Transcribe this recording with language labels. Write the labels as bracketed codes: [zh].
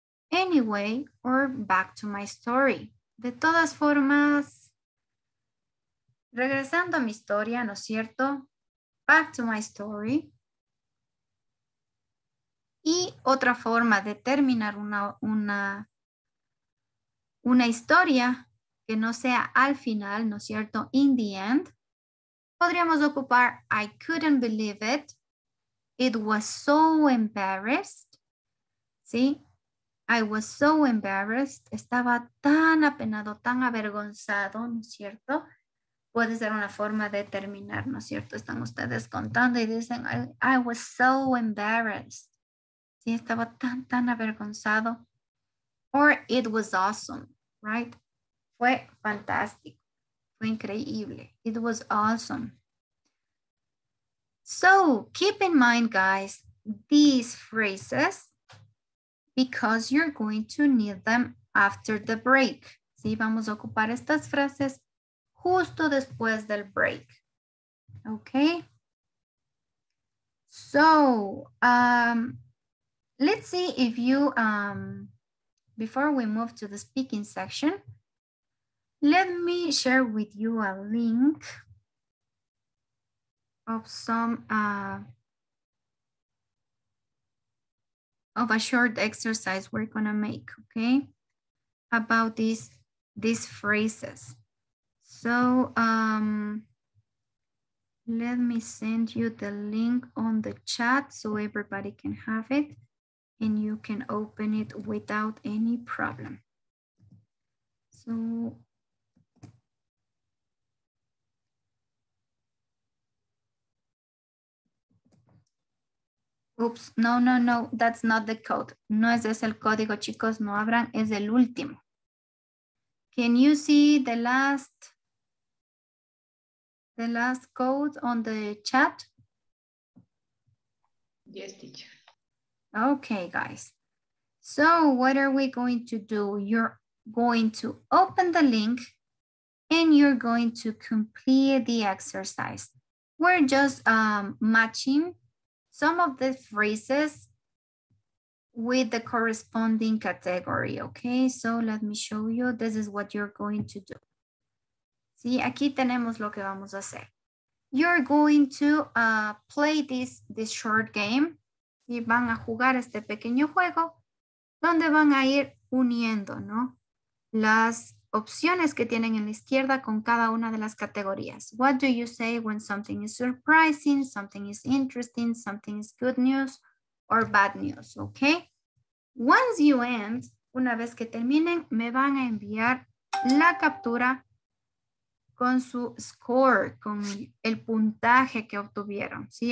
[en] Anyway or back to my story. [es] De todas formas, regresando a mi historia, ¿no es cierto? [en] Back to my story. [es] Y otra forma de terminar una historia que no sea al final, ¿no es cierto? [en] In the end, [es] podríamos ocupar [en] I couldn't believe it. It was so embarrassed. ¿Sí? I was so embarrassed. [es] Estaba tan apenado, tan avergonzado, ¿no es cierto? Puede ser una forma de terminar, ¿no es cierto? Están ustedes contando y dicen [en] I was so embarrassed. [es] Sí, estaba tan, tan avergonzado. [en] Or it was awesome, right? [es] Fue fantástico. Fue increíble. [en] It was awesome. So, keep in mind, guys, these phrases, because you're going to need them after the break. [es] Sí, vamos a ocupar estas frases justo después del break. [en] Okay? So, let's see if you, before we move to the speaking section, let me share with you a link of some, of a short exercise we're gonna make, okay? About these phrases. So, let me send you the link on the chat so everybody can have it. And you can open it without any problem. So, oops, no, that's not the code. [es] No es ese el código, chicos, no abran, es el último. [en] Can you see the last code on the chat? Yes, teacher. Okay, guys. So what are we going to do? You're going to open the link and you're going to complete the exercise. We're just matching some of the phrases with the corresponding category, okay? So let me show you. This is what you're going to do. [es] Sí, aquí tenemos lo que vamos a hacer. [en] You're going to play this short game. [es] Y van a jugar este pequeño juego donde van a ir uniendo, ¿no? Las opciones que tienen en la izquierda con cada una de las categorías. [en] What do you say when something is surprising, something is interesting, something is good news or bad news, okay? Once you end, [es] una vez que terminen, me van a enviar la captura con su score, con el puntaje que obtuvieron, ¿sí?